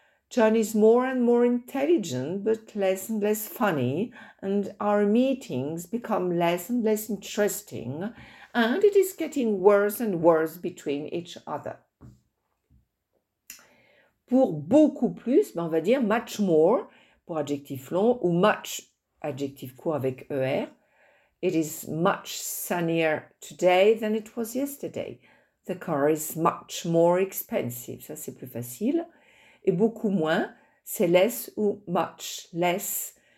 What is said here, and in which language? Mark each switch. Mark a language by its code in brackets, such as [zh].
[en] John is more and more intelligent, but less and less funny, and our meetings become less and less interesting, and it is getting worse and worse between each other. [fr] Pour beaucoup plus, on va dire much more pour adjectif long ou much, adjectif court avec er. [en] It is much sunnier today than it was yesterday. The car is much more expensive. [fr] Ça, c'est plus facile. Et beaucoup moins, c'est less ou much less.